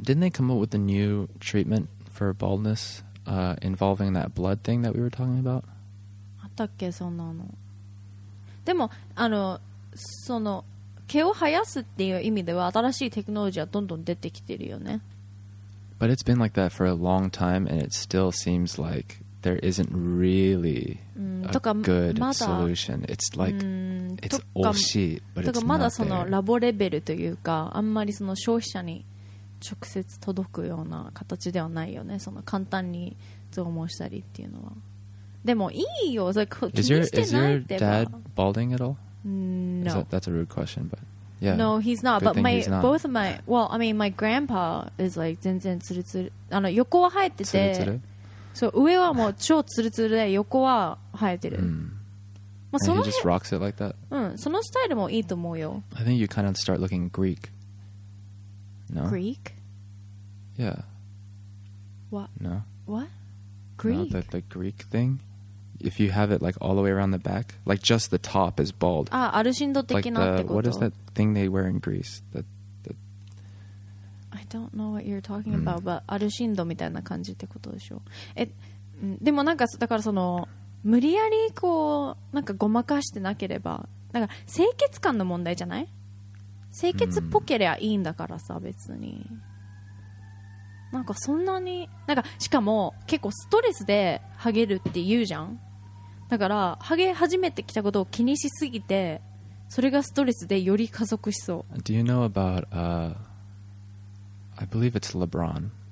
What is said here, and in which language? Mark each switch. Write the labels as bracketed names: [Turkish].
[English] Didn't they come up with a new treatment for baldness, involving that blood thing that we were talking about? [Japanese] あったっけ、そんなの。でも、その、毛を生やすっていう意味では新しいテクノロジーはどんどん出てきてるよね。 [English] But it's been like that for a long time and it still seems like there isn't really a good solution. It's like, it's [Japanese] 惜しい、 [English] but it's not there. [Japanese] まだそのラボレベルというか、あんまりその消費者に直接届くような形ではないよね。その簡単に増毛したりっていうのは。でもいいよ。気にしてないってば。 [English] Is your dad balding at all? No. That's a rude question, but... Yeah. No, he's not. But my, he's not. Both of my, well, I mean, my grandpa is like, [Japanese] 全然ツルツル。あの、横は生えてて。ツルツル？そう、上はもう超ツルツルで、横は生えてる。まあ、その、 [English] And he just rocks it like that? [Japanese] うん、そのスタイルもいいと思うよ。 [English] I think you kind of start looking Greek. No? Greek? Yeah. What? No? What? Greek? No, the Greek thing? If you have it like all the way around the back, like just the top is bald. [Japanese] Ah, アルシンド的なってこと。 [English] What is that thing they wear in Greece? I don't know what you're talking about, but [Japanese] アルシンドみたいな感じってことでしょ。でもなんかだからその無理やりこうなんかごまかしてなければ、なんか清潔感の問題じゃない？清潔っぽければいいんだからさ、別に。なんかそんなになんかしかも結構ストレスでハゲるって言うじゃん。だからハゲ始めてきたことを気にしすぎてそれがストレスでより加速しそう。 [English] Do you know about I believe it's LeBron.